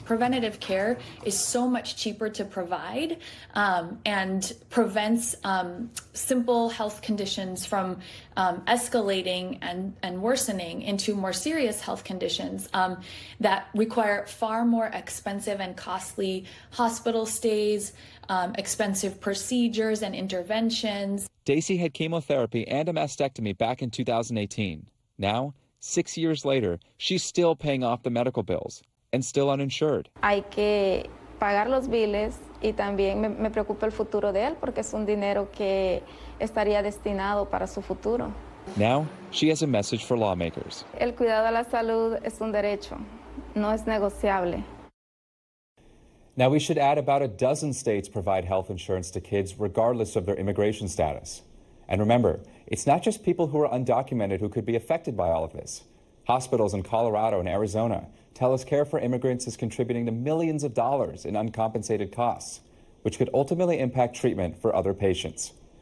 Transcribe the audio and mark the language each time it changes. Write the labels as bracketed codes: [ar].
[en] Preventative care is so much cheaper to provide and prevents simple health conditions from escalating and worsening into more serious health conditions that require far more expensive and costly hospital stays, expensive procedures and interventions. Daisy had chemotherapy and a mastectomy back in 2018. Now, 6 years later, she's still paying off the medical bills and still uninsured. [es] Hay que pagar los biles y también me preocupa el futuro de él porque es un dinero que estaría destinado para su futuro. [en] Now, she has a message for lawmakers. [es] El cuidado a la salud es un derecho, no es negociable. [en] Now, we should add about a dozen states provide health insurance to kids regardless of their immigration status. And remember, it's not just people who are undocumented who could be affected by all of this. Hospitals in Colorado and Arizona tell us care for immigrants is contributing to millions of dollars in uncompensated costs, which could ultimately impact treatment for other patients.